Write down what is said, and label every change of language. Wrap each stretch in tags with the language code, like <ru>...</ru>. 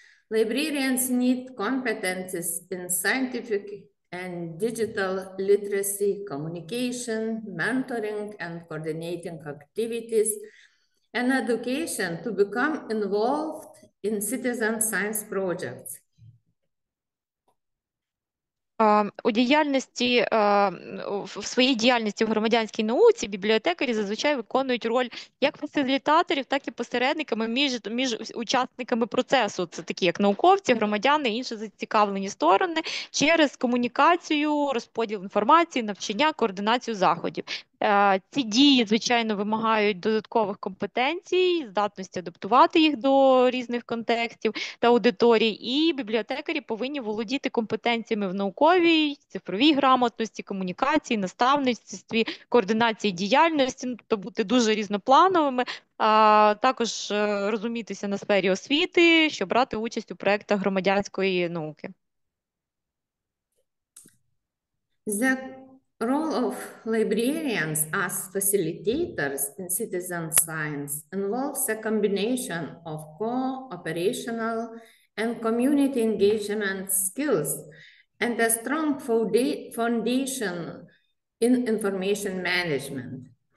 <en>Librarians need competences in scientific and digital literacy, communication, mentoring and coordinating activities, and education to become involved in citizen science projects.</en> <uk>У діяльності, в своїй діяльності в громадянській науці бібліотекарі зазвичай виконують роль як фасилітаторів, так і посередниками між учасниками процесу. Це такі як науковці, громадяни, інші зацікавлені сторони через комунікацію, розподіл інформації, навчання, координацію заходів. Ці дії, звичайно, вимагають додаткових компетенцій, здатності адаптувати їх до різних контекстів та аудиторій, і бібліотекарі повинні володіти компетенціями в науковій, цифровій грамотності, комунікації, наставництві, координації діяльності, тобто бути дуже різноплановими, а також розумітися на сфері освіти, щоб брати участь у проєктах громадянської науки.</uk> <en>The role of librarians as facilitators in citizen science involves a combination of co-operational and community engagement skills and a strong foundation in information management.</en>